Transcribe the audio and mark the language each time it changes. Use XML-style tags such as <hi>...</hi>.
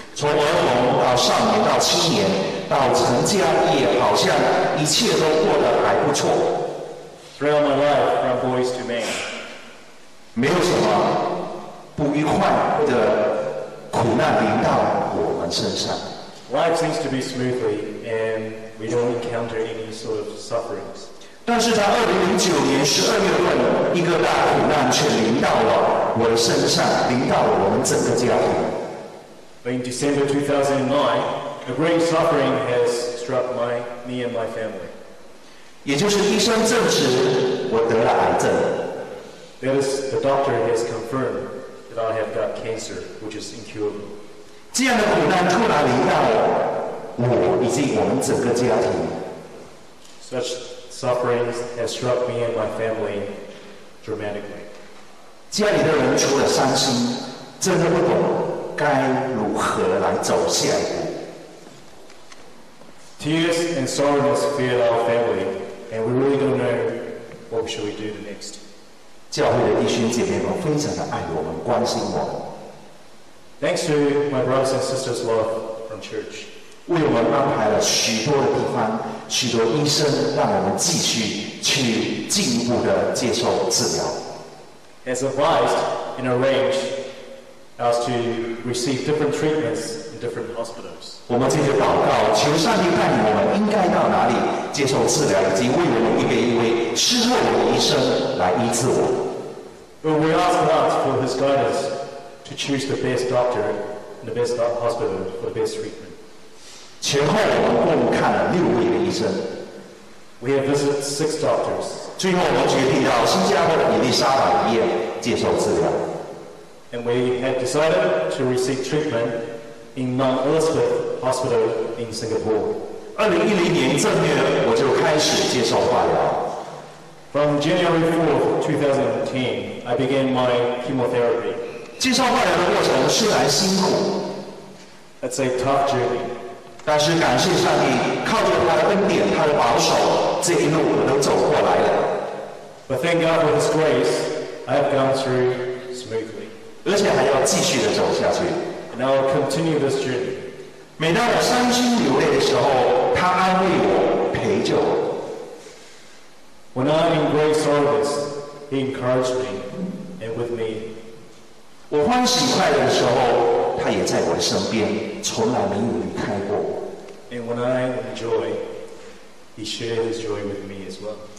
<zh>从儿童到少年到青年到成家立业，好像一切都过得还不错。</zh> <en>Throughout my life, from boys to men,</en> <zh>没有什么不愉快或者苦难临到我们身上。</zh> <en>Life seems to be smoothly, and we don't encounter any sort of sufferings.</en> <zh>但是在2009年12月份，一个大苦难却临到了我的身上，临到了我们整个家庭。</zh> <en>But in December 2009, a great suffering has struck me and my family.</en> <zh>也就是医生证实我得了癌症。</zh> <en>That is the doctor has confirmed that I have got cancer, which is incurable.</en> <zh>这样的苦难突然临到了我以及我们整个家庭。</zh> <en>Sufferings have struck me and my family dramatically.</en> <zh>家里的人除了伤心，真的不懂该如何来走下一步。</zh> <en>Tears and sorrows fill our family, and we really don't know what should we do next.</en> <zh>教会的弟兄姐妹们非常的爱我们，关心我们。</zh> <en>Thanks to my brothers and sisters' love from church.</en> <zh>为我们安排了许多的地方，许多医生，让我们继续去进一步的接受治疗。</zh> <en>Has advised and arranged us to receive different treatments in different hospitals.</en> <zh>我们借着祷告，求上帝带领我们应该到哪里接受治疗，以及为我们预备一位施肉的医生来医治我。</zh> <en>But we ask God for His guidance to choose the best doctor and the best hospital for the best treatment.</en> <zh>前后我们共看了六位的医生。</zh> <en>We have visited six doctors.</en> <zh>最后我们决定到新加坡的伊丽莎白医院接受治疗。</zh> <en>And we have decided to receive treatment in Mount Elizabeth Hospital in Singapore.</en> <zh>2010年正月我就开始接受化疗。</zh> <en>From January 4th, 2010, I began my chemotherapy.</en> <zh>接受化疗的过程虽然辛苦</zh> <en>，It's a tough journey.</en> <zh>但是感谢上帝，靠着他的恩典，他的保守，这一路我们都走过来了。</zh> <en>But thank God for His grace, I have gone through smoothly.</en> <zh>而且还要继续的走下去。</zh> <en>And I will continue this journey.</en> <zh>每当我伤心流泪的时候，他安慰我，陪着我。</zh> <en>When I'm in great sorrows, He encouraged me and with me.</en> <zh>我欢喜快乐的时候，他也在我的身边，从来没有离开过。</zh> <en>And when I enjoy, He shares His joy with me as well.</en>